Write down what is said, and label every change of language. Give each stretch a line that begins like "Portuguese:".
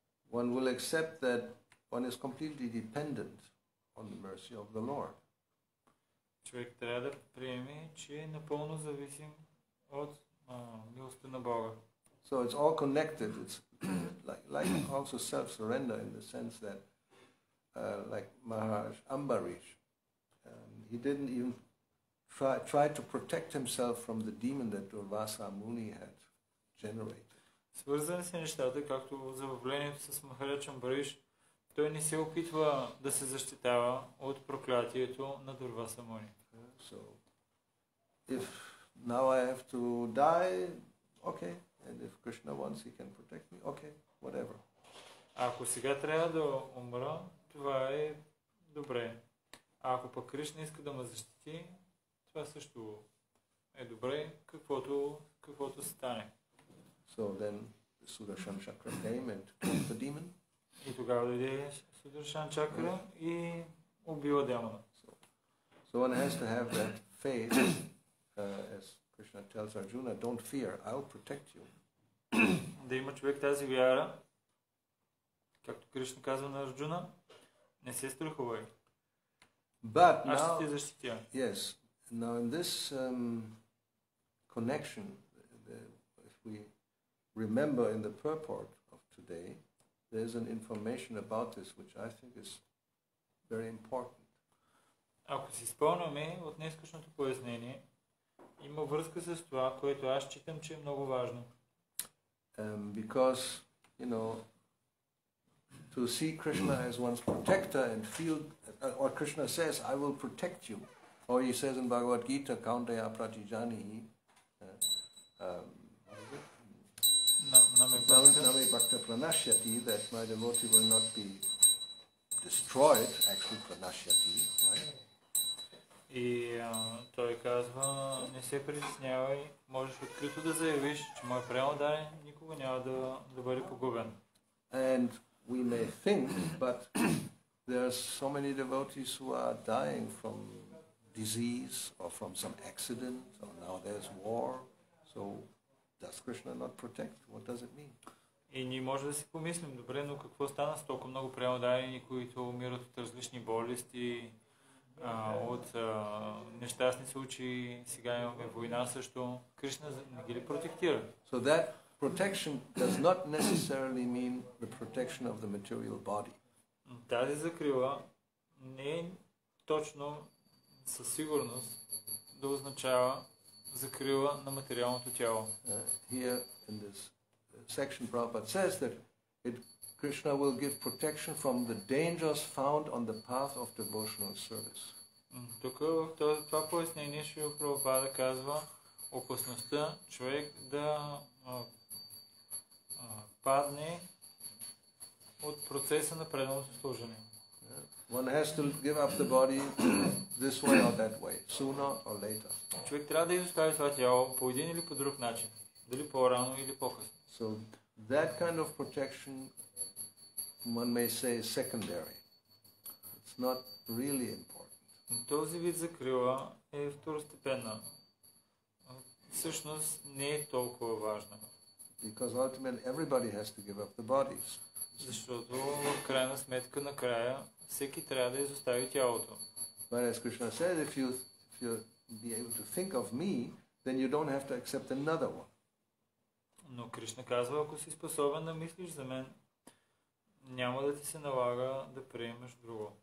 English: One will accept that one is completely dependent on the mercy of the Lord.
Bulgarian: Човек трябва да приеме, че е напълно зависим от милостта на Бога.
English: So it's all connected. It's like also self-surrender in the sense that like Maharaj Ambarish, he didn't even try to protect himself from the demon that Durvasa Muni had generated.
Bulgarian: Свързани са нещата, както забавлението с Махарадж Амбариш, той не се опитва да се защитава от проклятието на Дурваса Муни.
English: So, if now I have to die, okay, and if Krishna wants, he can protect me, okay, whatever.
Bulgarian: Ако сега трябва да умра, това е добре. Ако пък Кришна иска да ме защити, това също е добре, каквото стане.
English: So then Sudarshan Chakra came and killed the demon.
Bulgarian: И тогава дойде Sudarshan Chakra и убива демона.
English: So one has to have that faith, as Krishna tells Arjuna, don't fear, I'll protect you.
Bulgarian: Да има човек тази вяра, както Кришна казва на Арджуна, не се страхувай.
English: But now,
Bulgarian: аз ще те защитя.
English: Yes. Now in this connection, if we remember in the purport of today, there is an information about this which I think is very important.
Bulgarian: Ако си спомняме от днешното пояснение, има връзка с това, което аз считам, че е много важно.
English: Because, you know, to see Krishna as one's protector and feel what Krishna says, I will protect you. Or he says in Bhagavad Gita,
Sanskrit: Kaunteya Pratijani, Name Bhakta Pranashyati,
English: that my devotee will not be destroyed, actually Pranashyati, right?
Bulgarian: И той казва, не се притеснявай, можеш открито да заявиш, че мой преодай никога няма да бъде погубен.
English: And we may think, but there are so many devotees who are dying from disease or from some accident or now there's war, so does Krishna not protect? What does it mean?
Bulgarian: И ние може да си помислим, добре, но какво стана с толкова много преодарени, които умират от различни болести, от нещастни случаи, сега имаме война също, Кришна не ги ли протектира?
English: So that protection does not necessarily mean the protection of the material body.
Bulgarian: Тази закрила не е точно със сигурност да означава закрила на материалното тяло.
English: Here in this section Prabhupada says that Krishna will give protection from the dangers found on the path of devotional service.
Bulgarian: Тук в това пояснение Шрила Прабхупада казва опасността човек да падне от процеса на преданото служение.
English: One has to give up the body this way or that way, sooner or later.
Bulgarian: Човек трябва да изостави това тяло по един или по друг начин, дали по-рано или по-късно.
English: So that kind of protection, one may say, is secondary. It's not really important.
Bulgarian: Този вид закрила е второстепенна. Всъщност не е толкова важна.
English: Because ultimately everybody has to give up the body.
Bulgarian: Защото в крайна сметка накрая всеки трябва да изостави тялото.
English: But as Krishna said, if you be able to think of me, then you don't have to accept another one.
Bulgarian: Но Кришна казва, ако си способен да мислиш за мен, няма да ти се налага да приемаш друго.